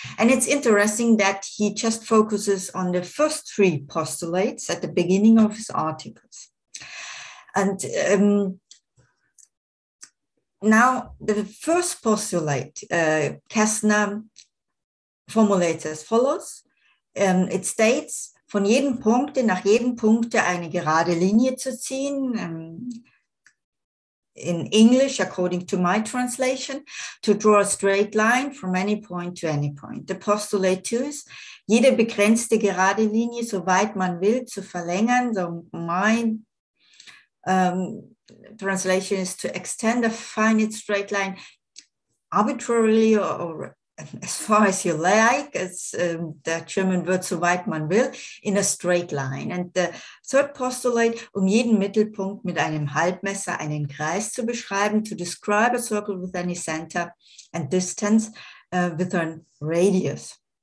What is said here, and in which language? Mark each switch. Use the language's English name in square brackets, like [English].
[English] And it's interesting that he just focuses on the first three postulates at the beginning of his articles. And now the first postulate, Kästner formulates as follows. It states, [German] von jedem Punkt, nach jedem Punkt eine gerade Linie zu ziehen. [English] In English, according to my translation, to draw a straight line from any point to any point. The postulate two is, [German] jede begrenzte gerade Linie, so weit man will, zu verlängern. [English] So my translation is to extend a finite straight line arbitrarily or as far as you like, as the German word, [German] so weit man will, [English] in a straight line. And the third postulate, [German] jeden Mittelpunkt mit einem Halbmesser einen Kreis zu beschreiben, [English] to describe a circle with any center and distance with a radius.